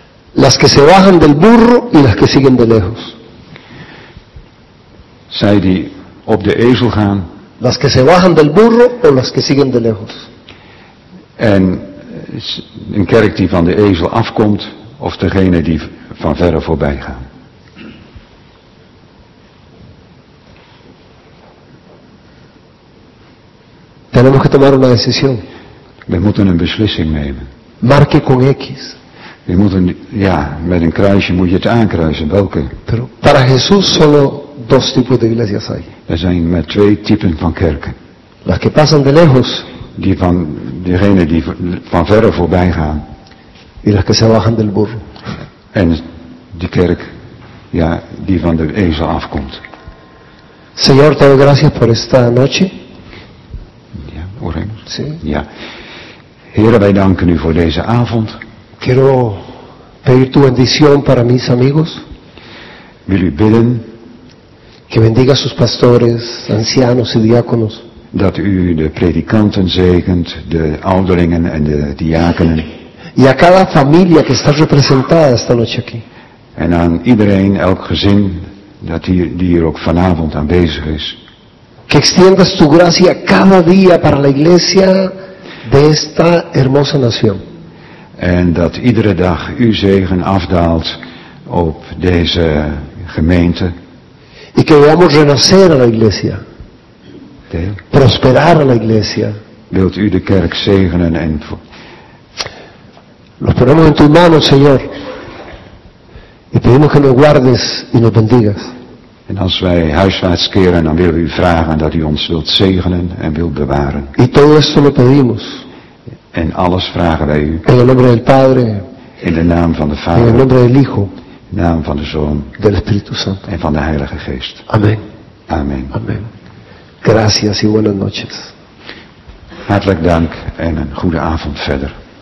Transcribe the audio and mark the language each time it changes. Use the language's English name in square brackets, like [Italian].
[Spanish] Las que se bajan del burro y las que siguen de lejos. [Dutch] Zij die op de ezel gaan. [Spanish] Las que se bajan del burro o las que siguen de lejos. [Dutch] En een kerk die van de ezel afkomt of degene die van verre voorbij gaan. [Spanish] Tenemos que tomar una decisión. [Dutch] We moeten een beslissing nemen. [Spanish] Marque con X. [Dutch] Je moet een, ja, met een kruisje moet je het aankruisen. Welke? [Spanish] Pero para Jesús solo dos tipos de iglesias hay. [Dutch] Er zijn maar twee typen van kerken. [Spanish] Las que pasan de lejos. [Dutch] Die van diegene die van verre voorbij gaan. [Spanish] Y las que se bajan del burro. [Dutch] En die kerk, ja, die van de ezel afkomt. [Spanish] Señor, te doy gracias por esta noche. Ja, oremos. Sí. Ja. [Dutch] Heere, wij danken u voor deze avond. [Spanish] Quiero pedir tu bendición para mis amigos. [Dutch] Wil u bidden. [Spanish] Que bendiga sus pastores, ancianos y diáconos. [Dutch] Dat u de predikanten zegent, de ouderlingen en de diakenen. [Spanish] Y a cada familia que está representada esta noche aquí. [Dutch] En aan iedereen, elk gezin, dat hier, die hier ook vanavond aanwezig is. [Spanish] Que extiendas tu gracia cada día para la iglesia de esta hermosa nación. [Dutch] En dat iedere dag uw zegen afdaalt op deze gemeente. [Spanish] Y que veamos renacer a la iglesia. [Dutch] Deel. [Spanish] Prosperar a la iglesia. [Dutch] Wilt u de kerk zegenen en [Spanish] Los ponemos en tu mano, Señor. Y pedimos que nos guardes y nos bendigas. [Dutch] En als wij huiswaarts keren, dan willen we u vragen dat u ons wilt zegenen en wilt bewaren. [Spanish] Y todo esto lo pedimos. [Dutch] En alles vragen wij u. [Spanish] En el nombre del Padre, [Dutch] in de naam van de Vader. [Spanish] En el nombre del Hijo, [Dutch] in de naam van de Zoon. [Spanish] Del Espíritu Santo. [Dutch] En van de Heilige Geest. Amen. Amen. Amen. [Spanish] Gracias y buenas noches. [Dutch] Hartelijk dank en een goede avond verder.